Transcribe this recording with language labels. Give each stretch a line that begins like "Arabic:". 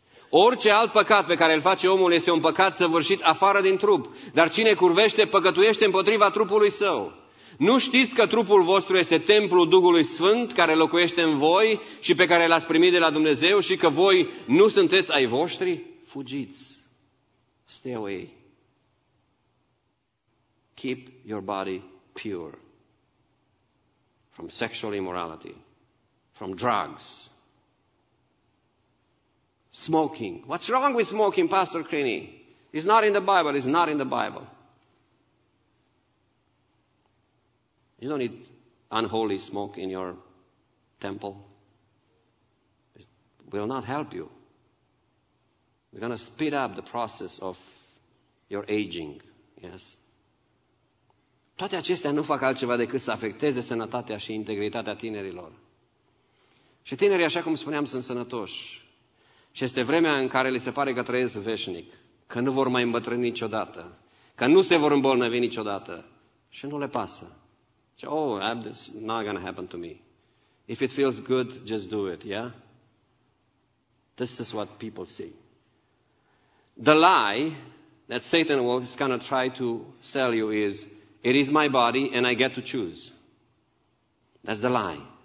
Romanian: Orice alt păcat pe care îl face omul este un păcat săvârșit afară din trup. Dar cine curvește, păcătuiește împotriva trupului său. Nu știți că trupul vostru este templul Duhului Sfânt care locuiește în voi și pe care l-ați primit de la Dumnezeu și că voi nu sunteți ai voștri? Fugiți!
English: Stay away! Keep your body pure from sexual immorality, from drugs. Smoking. What's wrong with smoking, Pastor Crini? It's not in the Bible. You don't need unholy smoke in your temple. It will not help you. It's going to speed up the process of your aging. Yes?
Romanian: Toate acestea nu fac altceva decât să afecteze sănătatea și integritatea tinerilor. Și tinerii, așa cum spuneam, sunt sănătoși. Și este vremea în care li se pare că trăiesc veșnic, că nu vor mai îmbătrâni niciodată, că nu se vor îmbolnăvi niciodată. Și nu le pasă. Zice,
English: oh, this not going to happen to me. If it feels good, just do it, yeah? This is what people see. The lie that Satan is going to try to sell you is, it is my body and I get to choose. That's the lie.